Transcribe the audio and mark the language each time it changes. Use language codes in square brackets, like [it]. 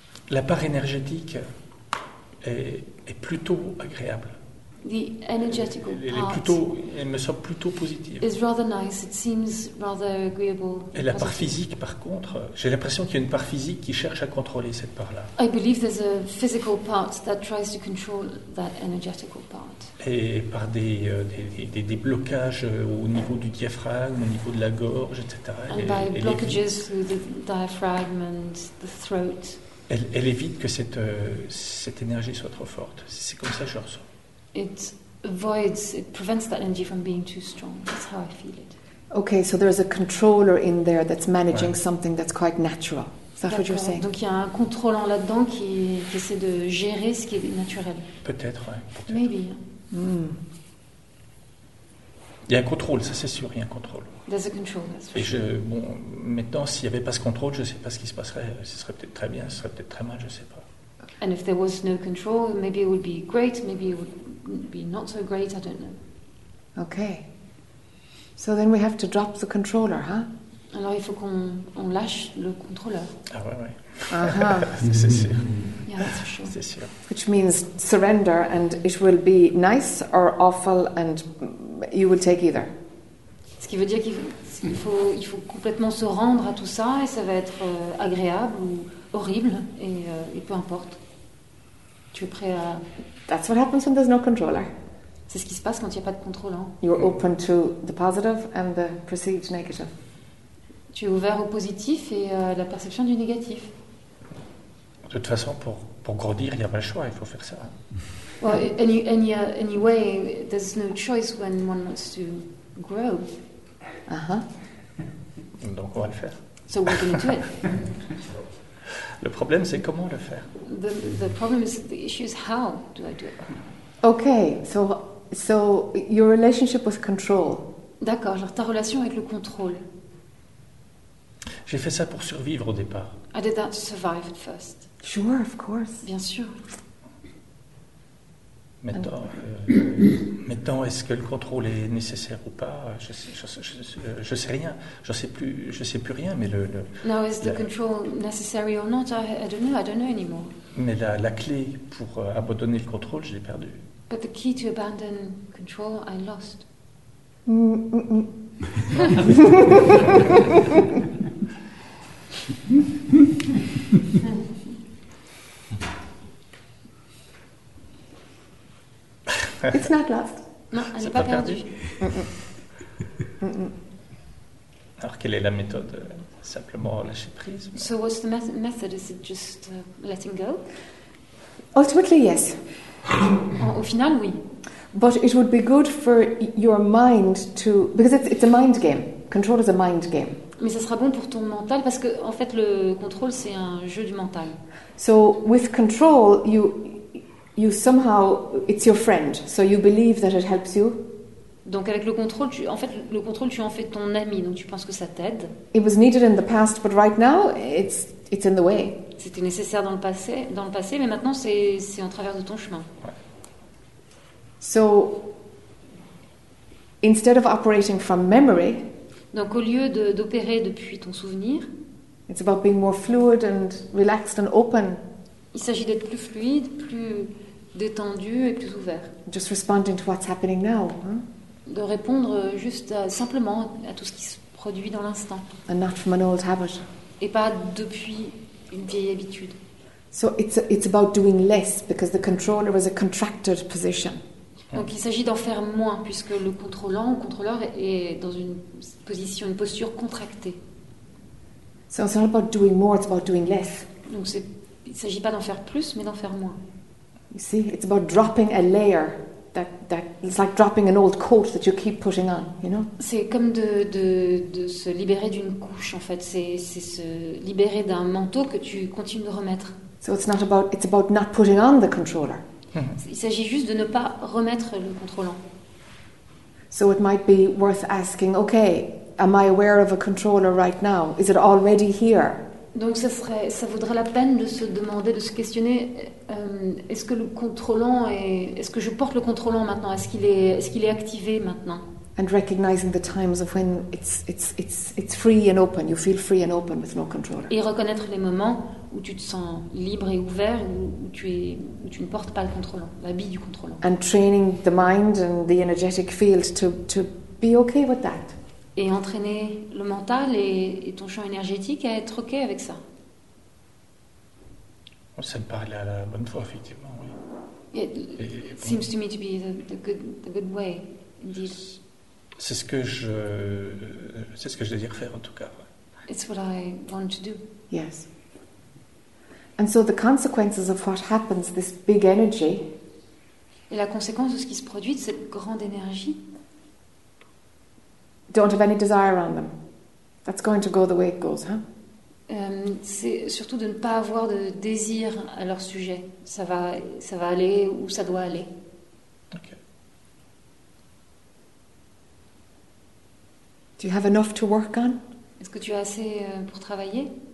[fr] La part énergétique est plutôt agréable. [en] The energetical [fr] part. Elle me semble plutôt positive. [en] It's rather nice. It seems rather agreeable. [fr] Et la part physique, par contre, j'ai l'impression qu'il y a une part physique qui cherche à contrôler cette part-là. [en] I believe there's a physical part that tries to control that energetical part. [fr] Et par des blocages au niveau du diaphragme, au niveau de la gorge, etc. [en] And by blockages through the diaphragm and the throat. [fr] Elle évite que cette énergie soit trop forte. C'est comme ça que je ressens. [en] It prevents that energy from being too strong. That's how I feel it. Okay, so there's a controller in there that's managing something that's quite natural. Is that what you're saying? [fr] Donc il y a un contrôlant là-dedans qui essaie de gérer ce qui est naturel. Peut-être, ouais. Peut-être. [en] Maybe. [fr] Il y a un contrôle, ça c'est sûr, il y a un contrôle. [en] There's a control, that's for sure. [fr] Maintenant, s'il n'y avait pas ce contrôle, je ne sais pas ce qui se passerait. Ce serait peut-être très bien, ce serait peut-être très mal, je ne sais pas. [en] And if there was no control, maybe it would be great, maybe it would be not so great, I don't know. Okay. So then we have to drop the controller, huh? [fr] Alors il faut qu'on lâche le contrôleur. Ah ouais, ouais. Uh-huh. C'est sûr. [en] Yeah, that's for sure. [fr] C'est sûr. [en] Which means surrender, and it will be nice or awful, and you will take either. [fr] Ce qui veut dire qu'il faut complètement se rendre à tout ça, et ça va être agréable ou horrible, et peu importe. Tu es prêt à... [en] That's what happens when there's no controller. [fr] C'est ce qui se passe quand il n'y a pas de contrôle. Hein. [en] You're open to the positive and the perceived negative. [fr] Tu es ouvert au positif et à la perception du négatif. De toute façon, pour grandir, il n'y a pas le choix, il faut faire ça. [en] Well, anyway, there's no choice when one wants to grow. Uh-huh. [fr] Donc on va le faire. [en] So we're going to do it. [fr] Le problème, c'est comment le faire. [en] The problem is, the issue is how do I do it? Okay, so your relationship with control. [fr] D'accord, alors ta relation avec le contrôle. J'ai fait ça pour survivre au départ. [en] I did that to survive at first. Sure, of course. [fr] Bien sûr. Maintenant, est-ce que le contrôle est nécessaire ou pas? Je sais rien. Je sais plus rien. Mais le [en] now is the control necessary or not? I don't know. I don't know anymore. [fr] Mais la clé pour abandonner le contrôle, je l'ai perdu. [en] But the key to abandon control, I lost. It's not lost. [fr] Non, elle n'est pas perdue. Alors, quelle est la méthode? Simplement lâcher prise. [en] So what's the method? Is it just letting go? Ultimately, yes. [fr] Au final, oui. [en] But it would be good for your mind to, because it's a mind game. Control is a mind game. [fr] Mais ça sera bon pour ton mental parce que en fait, le contrôle c'est un jeu du mental. [en] So with control, you somehow it's your friend. So you believe that it helps you. [fr] Donc avec le contrôle, tu en fais ton ami, donc tu penses que ça t'aide. [en] It was needed in the past, but right now it's in the way. [fr] C'était nécessaire dans le passé, mais maintenant c'est en travers de ton chemin. [en] So instead of operating from memory, [fr] donc au lieu d'opérer depuis ton souvenir, [en] it's about being more fluid and relaxed and open. [fr] Il s'agit d'être plus fluide, plus détendu et plus ouvert. [en] Just responding to what's happening now, huh? [fr] De répondre juste simplement à tout ce qui se produit dans l'instant. [en] And not from an old habit. [fr] Et pas depuis une vieille habitude. [en] So it's about doing less because the controller is a contracted position. [fr] Donc il s'agit d'en faire moins puisque le contrôlant ou contrôleur est dans une position, une posture contractée. [en] So it's not about doing more, it's about doing less. [fr] Donc il ne s'agit pas d'en faire plus, mais d'en faire moins. [en] You see, it's about dropping a layer that it's like dropping an old coat that you keep putting on, you know. [fr] C'est comme de se libérer d'une couche en fait. C'est se libérer d'un manteau que tu continues de remettre. [en] So it's about not putting on the controller. [fr] Il s'agit juste de ne pas remettre le contrôlant. [en] So it might be worth asking, okay, am I aware of a controller right now? Is it already here? [fr] Donc ça vaudrait la peine de se demander, de se questionner, est-ce que je porte le contrôlant maintenant? Est-ce qu'il est activé maintenant? [en] And recognizing the times of when it's free and open, you feel free and open with no controller. [fr] Et reconnaître les moments où tu te sens libre et ouvert, où tu ne portes pas le contrôlant, l'habit du contrôlant. [en] And training the mind and the energetic field to be okay with that. [fr] Et entraîner le mental et ton champ énergétique à être ok avec ça. Ça me paraît la bonne foi, effectivement. Oui. [en] It seems to me to be the good way, indeed. [fr] C'est ce que je désire faire en tout cas. [en] It's what I want to do. Yes. And so the consequences of what happens, this big energy. [fr] Et la conséquence de ce qui se produit, cette grande énergie. [en] Don't have any desire on them. That's going to go the way it goes, huh? [fr] C'est surtout de ne pas avoir de désir à leur sujet. Ça va aller où ça doit aller. [en] Do you have enough to work on? [fr] Est-ce que tu as assez pour travailler?